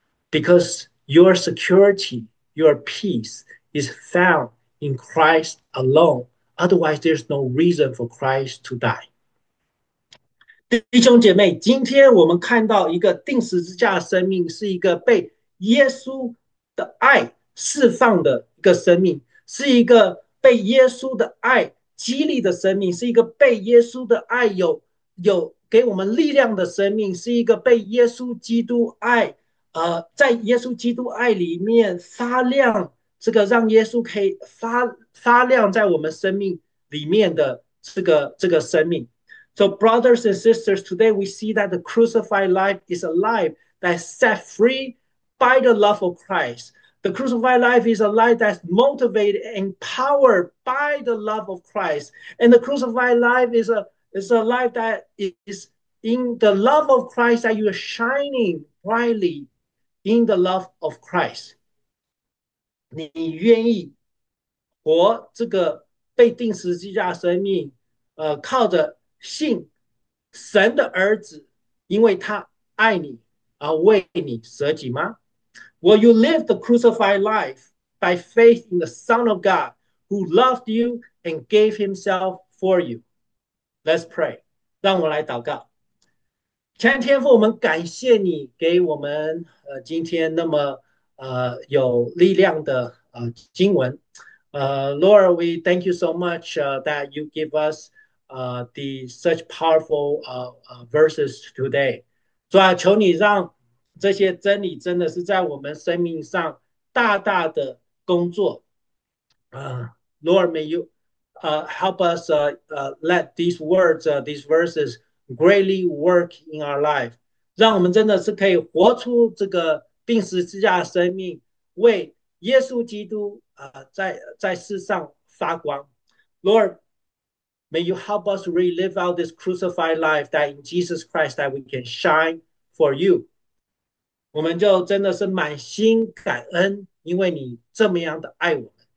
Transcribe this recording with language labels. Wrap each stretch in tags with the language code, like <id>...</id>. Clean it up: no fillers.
<en>Because your security, your peace is found in Christ alone. Otherwise, there's no reason for Christ to die.</en> <zh>弟兄姐妹，今天我们看到一个钉十字架的生命是一个被耶稣的爱释放的一个生命，是一个被耶稣的爱激励的生命，是一个被耶稣的爱有给我们力量的生命，是一个被耶稣基督爱，在耶稣基督爱里面发亮，这个让耶稣可以发亮在我们生命里面的这个生命。</zh> <en>So brothers and sisters, today we see that the crucified life is a life that set free by the love of Christ. The crucified life is a life that's motivated and empowered by the love of Christ. And the crucified life is a life that is in the love of Christ, that you are shining brightly in the love of Christ.</en> <zh>你愿意活这个被钉十字架生命，靠着信神的儿子，因为他爱你而为你舍己吗？</zh> <en>Will you live the crucified life by faith in the Son of God who loved you and gave himself for you? Let's pray.</en> <zh>让我来祷告。亲爱的天父，我们感谢你给我们今天那么有力量的经文。</zh> <en>Lord, we thank you so much that you give us such powerful verses today.</en> <zh>主啊，求你让这些真理真的是在我们生命上大大的工作。</zh> <en>Lord, may you help us let these words, these verses greatly work in our life.</en> <zh>让我们真的是可以活出这个钉十字架的生命，为耶稣基督在世上发光。</zh> <en>Lord, may you help us relive out this crucified life that in Jesus Christ that we can shine for you.</en> <zh>我们就真的是满心感恩，因为你这么样的爱我们。</zh>